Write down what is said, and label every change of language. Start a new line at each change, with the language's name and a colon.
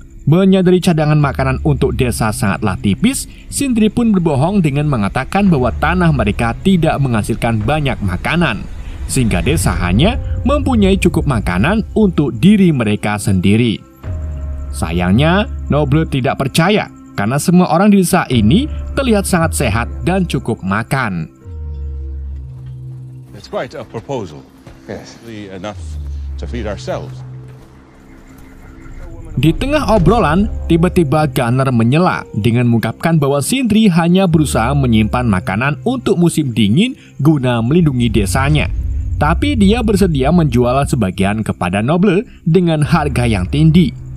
Indonesian: Menyadari cadangan makanan untuk desa sangatlah tipis, Sindri pun berbohong dengan mengatakan bahwa tanah mereka tidak menghasilkan banyak makanan. Sehingga desa hanya mempunyai cukup makanan untuk diri mereka sendiri. Sayangnya, Noble tidak percaya karena semua orang di desa ini terlihat sangat sehat dan cukup makan.
English: It's quite a proposal. Yes. Enough to feed ourselves.
Indonesian: Di tengah obrolan, tiba-tiba Gunner menyela dengan mengungkapkan bahwa Sindri hanya berusaha menyimpan makanan untuk musim dingin guna melindungi desanya. Tapi dia bersedia menjual sebagian kepada Noble dengan harga yang tinggi.